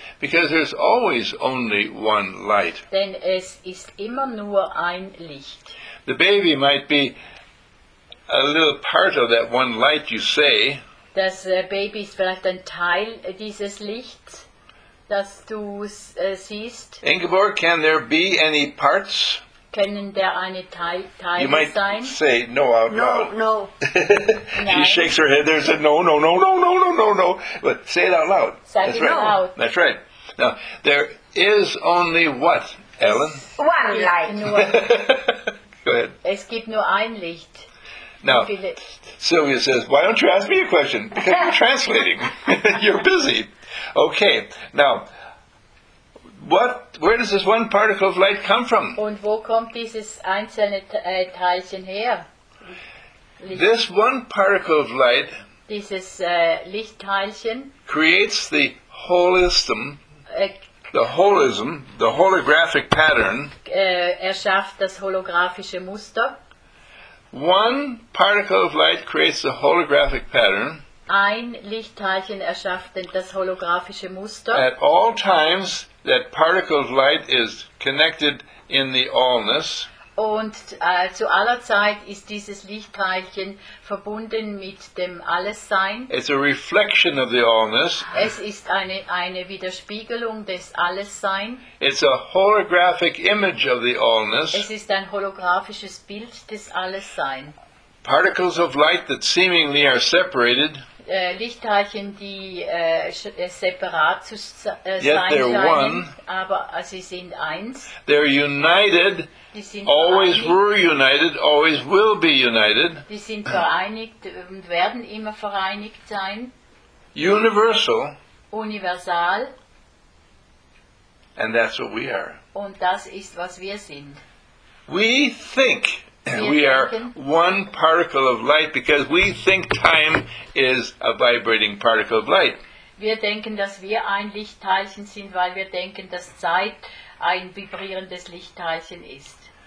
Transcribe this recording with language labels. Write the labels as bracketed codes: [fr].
[en] Because there's always only one light. [de] Denn es ist immer nur ein Licht. [en] The baby might be a little part of that one light you say. [de] Das Baby ist vielleicht ein Teil dieses Lichts, das du siehst. [en] Ingeborg, can there be any parts? [de] Können da eine Teile [en] you might [de] sein? [en] Say no out loud. No, no. She shakes her head. There's a no, no, no, no, no, no, no, no. But say it out loud. [de] Sag [en] that's it right. Out. That's right. Now, there is only what, Ellen? One light. Go ahead. [de] Es gibt nur ein Licht. [en] Now, Sylvia says, why don't you ask me a question? Because you're translating. You're busy. Okay, now, where does this one particle of light come from? [de] Und wo kommt dieses einzelne Teilchen her? Licht. [en] This one particle of light [de] Lichtteilchen [en] creates the holism, the holographic pattern. [de] Erschafft das holographische Muster. [en] One particle of light creates the holographic pattern. [de] Ein Lichtteilchen erschafft das holographische Muster. [en] At all times, that particle of light is connected in the allness. [de] Und zu aller Zeit ist dieses Lichtteilchen verbunden mit dem Allessein. [en] It's a reflection of the allness. [de] Es ist eine Widerspiegelung des Allessein. [en] It's a holographic image of the allness. [de] Es ist ein holographisches Bild des Allessein. [en] Particles of light that seemingly are separated. [de] Lichtteilchen, die separat zu sein scheinen, aber sie sind eins. [en] They're united, always were united, always will be united. [de] Die sind vereinigt und werden immer vereinigt sein. [en] Universal. [de] Universal. [en] And that's what we are. [de] Und das ist, was wir sind. [en] We think. We are one particle of light because we think time is a vibrating particle of light. [de] Wir denken, dass wir ein Lichtteilchen sind, weil wir denken, dass Zeit ein vibrierendes Lichtteilchen ist.